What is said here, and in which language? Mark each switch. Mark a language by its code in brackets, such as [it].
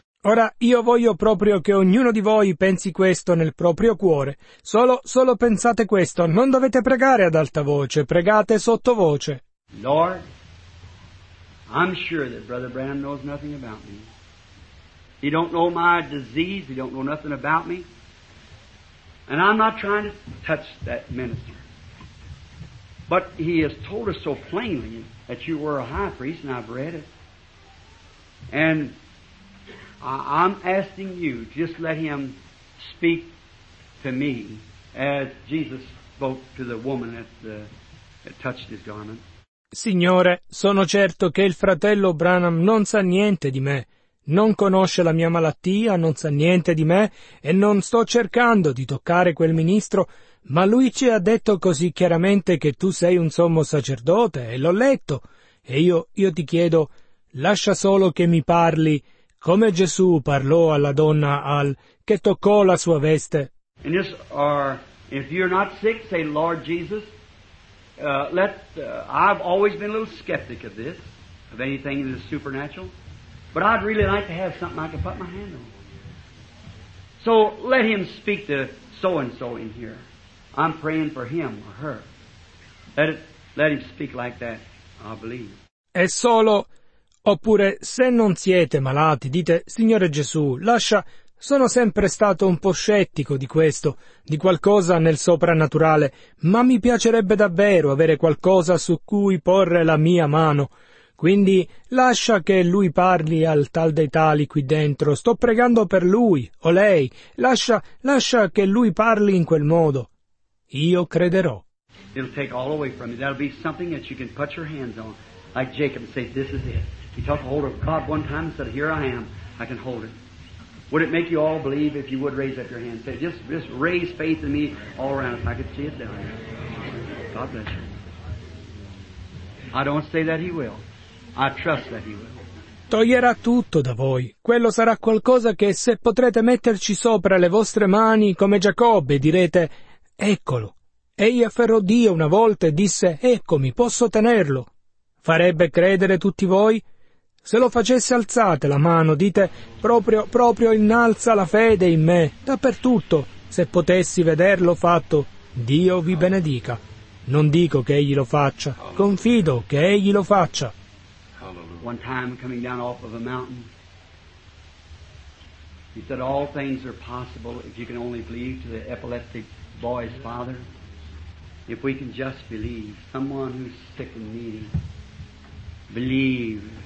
[it] Ora io voglio proprio che ognuno di voi pensi questo nel proprio cuore. Solo pensate questo. Non dovete pregare ad alta voce, pregate sottovoce. [en] Lord, I'm sure that Brother Branham knows nothing about me. He don't know my disease, he don't know nothing about me. And I'm not trying to touch that minister. But he has told us so plainly that you were a high priest, and I've read it. And I'm asking you, just let him speak to me as Jesus spoke to the woman that touched his garment. [it] Signore, sono certo che il fratello Branham non sa niente di me. Non conosce la mia malattia, non sa niente di me, e non sto cercando di toccare quel ministro, ma lui ci ha detto così chiaramente che tu sei un sommo sacerdote, e l'ho letto. E io ti chiedo, lascia solo che mi parli. Come Gesù parlò alla donna al che toccò la sua veste. [en] And just, or if you're not sick, say, Lord Jesus, I've always been a little skeptic of this, of anything in the supernatural, but I'd really like to have something I can put my hand on. So let him speak to so-and-so in here. I'm praying for him or her. Let him speak like that, I believe. [it] È solo... Oppure, se non siete malati, dite, Signore Gesù, lascia, sono sempre stato un po' scettico di questo, di qualcosa nel soprannaturale, ma mi piacerebbe davvero avere qualcosa su cui porre la mia mano. Quindi, lascia che lui parli al tal dei tali qui dentro, sto pregando per lui, o lei, lascia che lui parli in quel modo. Io crederò. [en] It'll take all away from you, that'll be something that you can put your hands on, like Jacob, say, this is it. He took hold of God one time and said, here I am, I can hold it. Would it make you all believe if you would raise up your hand? Say, just raise faith in me all around if I could see it down there. God bless you. I don't say that he will. I trust that he will. [it] Toglierà tutto da voi. Quello sarà qualcosa che se potrete metterci sopra le vostre mani come Giacobbe direte, eccolo. Egli afferrò Dio una volta e disse, eccomi, posso tenerlo. Farebbe credere tutti voi? Se lo facesse alzate la mano, dite, proprio innalza la fede in me, dappertutto. Se potessi vederlo fatto, Dio vi benedica. Non dico che egli lo faccia, confido che egli lo faccia. [en] One time coming down off of a mountain, He said, all things are possible if you can only believe, to the epileptic boy's father. If we can just believe, someone who's sick and needy, believe.